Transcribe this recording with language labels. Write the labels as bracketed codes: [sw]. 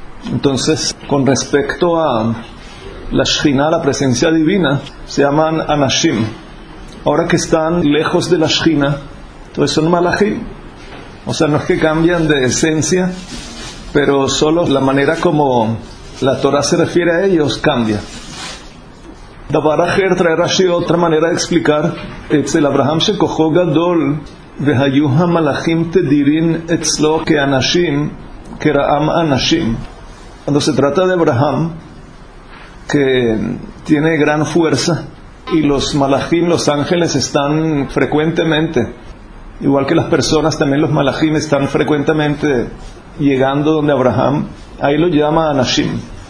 [es] Entonces, con respecto a la Shekhinah, la presencia divina, se llaman Anashim. Ahora que están lejos de la Shekhinah, entonces son Malachim. O sea, no es que cambian de esencia, pero solo la manera como la Torah se refiere a ellos cambia. Davar Acher trae Rashi otra manera de explicar. Es el [he] Abraham Shekojo Gadol והיו המלאכים תדירים אצלו כאנשים, כרעם אנשים. [es] Cuando se trata de Abraham, que tiene gran fuerza, y los malachim, los ángeles, están frecuentemente, igual que las personas, también los malachim están frecuentemente llegando donde Abraham, ahí lo llama אנשים.